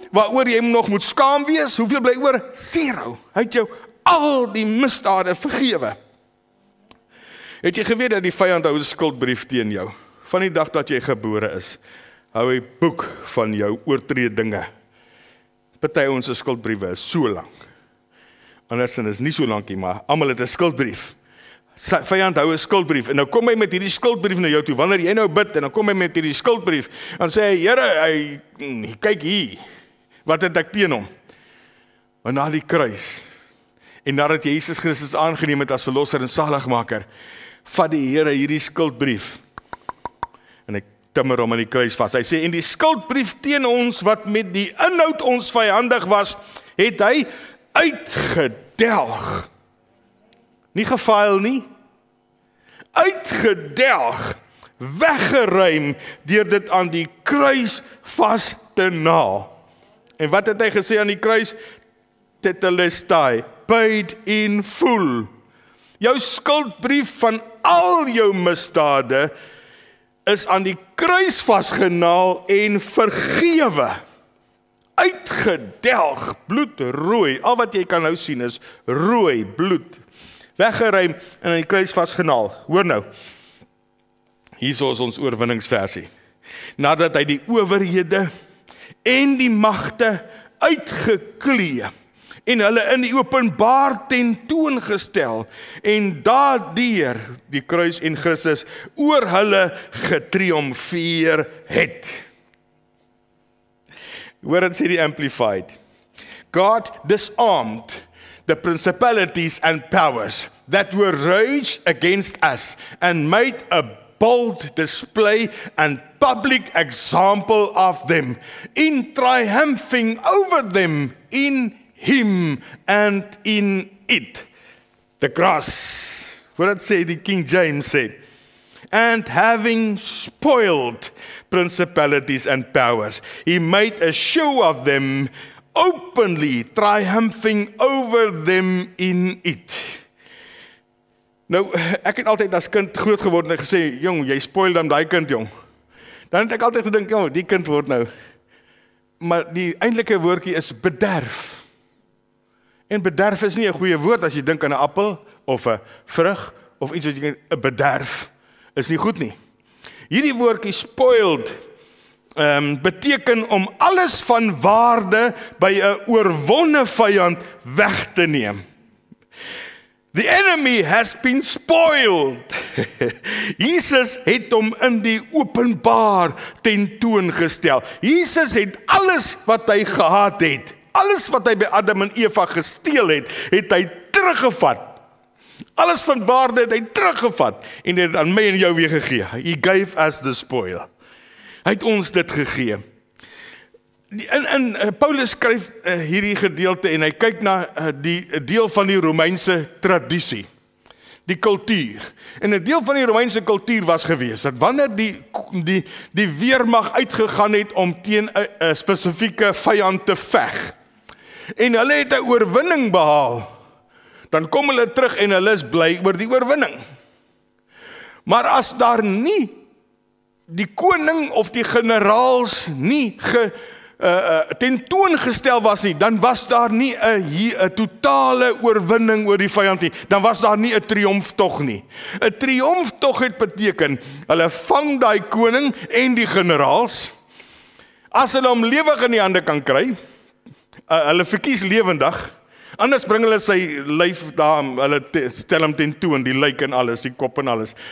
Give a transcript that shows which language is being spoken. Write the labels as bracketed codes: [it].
[af] Waaroor jy nog moet skaam wees? Hoeveel bly oor? Zero. Hy het jou al die misdade vergewe. Het jy geweet dat die vyand hou een skuldbrief teen jou? Van die dag dat jy gebore is, hou hy boek van jou oortredinge. Party ons skuldbriewe is so lang. Anders is nie so lang nie, maar allemaal het een skuldbrief. Vyand hou een skuldbrief, en dan kom hy met hierdie skuldbrief na jou toe, wanneer jy nou bid, en dan kom hy met hierdie skuldbrief, en sê hy, Here, kyk hier, wat het ek teen hom? Maar na die kruis, en nadat Jesus Christus aangeneem het as verlosser en saligmaker, vat die Here hierdie skuldbrief, en hy timmer hom in die kruis vast. Hy sê, en die skuldbrief teen ons, wat met die inhoud ons vyandig was, het hy uitgedelg. Nie gefaal nie, uitgedelg, weggeruim, deur dit aan die kruis vast te naal. En wat het hy gesê aan die kruis? Tetelestai, [en] paid in full. [af] Jou skuldbrief van al jou misdade is aan die kruis vastgenaal en vergewe. Uitgedelg, bloed rooi, al wat jy kan nou sien is rooi bloed. Weggeruim en in die kruis vastgenaal. Hoor nou, hier is ons oorwinningsversie. Nadat hy die owerhede en die magte uitgeklee en hulle in die openbaar tentoongestel en daardeur die kruis en Christus oor hulle getriomfeer het. Hoor het sê die Amplified. [en] God disarmed the principalities and powers that were raged against us and made a bold display and public example of them in triumphing over them in him and in it. The cross. [af] Hoor het sê die King James sê. [en] And having spoiled principalities and powers, he made a show of them, openly triumphing over them in it. [af] Nou, ek het altyd as kind groot geworden en gesê, jong, jy spoil dan die kind, jong. Dan het ek altyd gedink, jong, die kind word nou. Maar die eindelike woordjie is bederf. En bederf is nie 'n goeie woord as jy dink aan 'n appel, of 'n vrug, of iets wat jy kent, 'n bederf. Is nie goed nie. Hierdie woordjie spoiled beteken om alles van waarde by 'n oorwonne vijand weg te neem. [en] The enemy has been spoiled. [af] Jesus het hom in die openbaar tentoongestel. Jesus het alles wat hy gehad het, alles wat hy by Adam en Eva gesteel het, het hy teruggevat. Alles van waarde het hy teruggevat en het aan my en jou weer gegee. [en] He gave us the spoil. [af] Hy het ons dit gegee. In Paulus skryf hierdie gedeelte en hy kyk na die deel van die Romeinse traditie, die kultuur. En een deel van die Romeinse kultuur was gewees, dat wanneer die weermag uitgegaan het om teen een spesifieke vijand te veg, en hulle het een oorwinning behaal, dan kom hulle terug en hulle is bly oor die oorwinning. Maar as daar nie die koning of die generaals nie tentoongestel was nie, dan was daar nie een totale oorwinning oor die vijand nie. Dan was daar nie een triomftog nie. Een triomftog het beteken, hulle vang die koning en die generaals, as hulle om lewig in die hande kan kry, hulle verkies lewendig, anders bring hulle sy lyf daar, hulle stel hem ten toe, en die lyk en alles, die kop en alles.